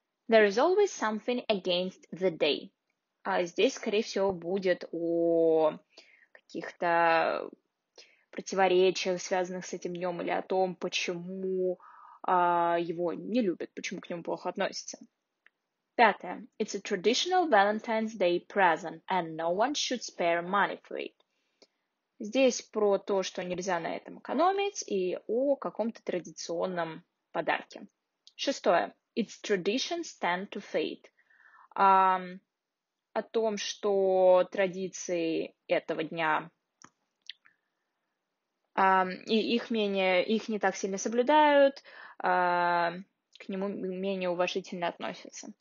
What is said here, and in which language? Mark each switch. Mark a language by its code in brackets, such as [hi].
[en] There is always something against the day. [ru] А здесь, скорее всего, будет о каких-то противоречиях, связанных с этим днем, или о том, почему его не любят, почему к нему плохо относятся. Пятое. [en] It's a traditional Valentine's Day present, and no one should spare money for it. [ru] Здесь про то, что нельзя на этом экономить, и о каком-то традиционном подарке. Шестое. [en] It's traditions tend to fade. [ru] О том, что традиции этого дня, и их менее, их не так сильно соблюдают, к нему менее уважительно относятся.